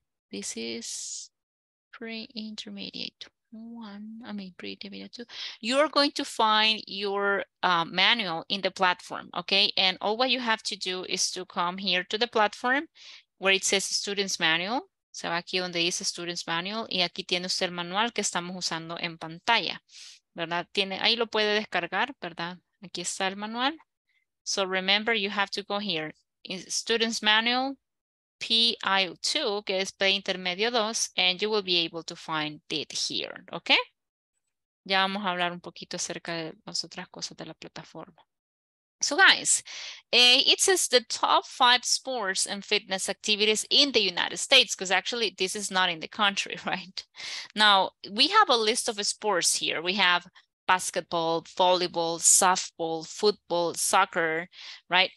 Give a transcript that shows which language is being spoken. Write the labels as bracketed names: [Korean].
[English] This is pre-intermediate one. Pre-intermediate two. You're going to find your manual in the platform. Okay. And all what you have to do is to come here to the platform where it says student's manual. [Spanish] Se va aquí donde dice Students Manual y aquí tiene usted el manual que estamos usando en pantalla, ¿verdad? Tiene, ahí lo puede descargar, ¿verdad? Aquí está el manual. [English] So remember, you have to go here. Students Manual PI2, [Spanish] que es P Intermedio 2, [English] and you will be able to find it here, ¿ok? [Spanish] ya vamos a hablar un poquito acerca de las otras cosas de la plataforma. [English] So guys, it says the top five sports and fitness activities in the United States, because actually this is not in the country, right? Now, we have a list of sports here. We have basketball, volleyball, softball, football, soccer, right?